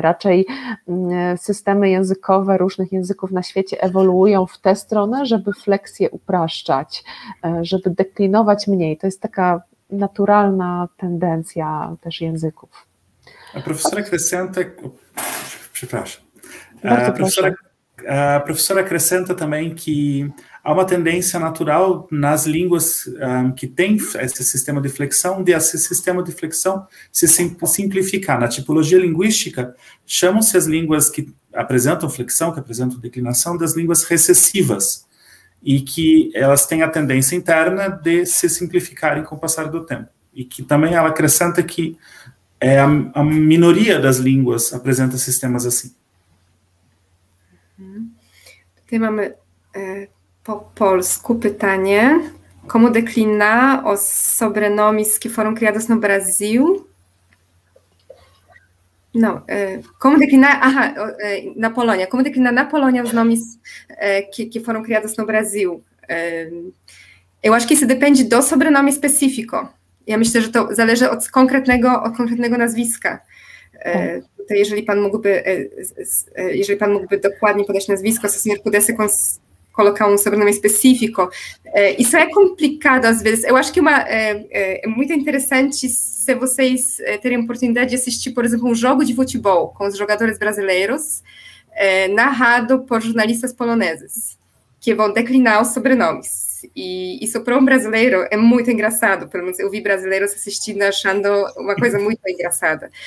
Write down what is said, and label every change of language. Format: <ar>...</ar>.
<pl>Raczej systemy językowe różnych języków na świecie ewoluują w tę stronę, żeby fleksję upraszczać, żeby deklinować mniej. To jest taka naturalna tendencja też języków.</pl> <pt>A profesora Crescenta,</pt> <pl>przepraszam.</pl> <pt>A profesora Crescenta também que há uma tendência natural nas línguas que tem esse sistema de flexão, de esse sistema de flexão se simplificar. Na tipologia linguística, chamam-se as línguas que apresentam flexão, que apresentam declinação, das línguas recessivas, e que elas têm a tendência interna de se simplificarem com o passar do tempo. E que também ela acrescenta que a minoria das línguas apresenta sistemas assim.</pt> <pl>Tutaj mamy po polsku pytanie.</pl> <pt>Como declina os sobrenomes que foram criados no Brasil? No, como declina, na Polônia. Como declina na Polônia os nomes que foram criados no Brasil? Eu acho que isso depende do sobrenome específico.</pt> <pl>Ja myślę, że to zależy od konkretnego nazwiska. To jeżeli pan mógłby dokładnie podać nazwisko,</pl> <pt>se senhor pudesse colocar sobre nome específico. Isso é complicado às vezes. Eu acho que é muito interessante se vocês terem a oportunidade de assistir, por exemplo, jogo de futebol com os jogadores brasileiros, narrado por jornalistas poloneses, que vão declinar os sobrenomes. E isso para brasileiro é muito engraçado, pelo menos eu vi brasileiros assistindo achando uma coisa muito engraçada.</pt>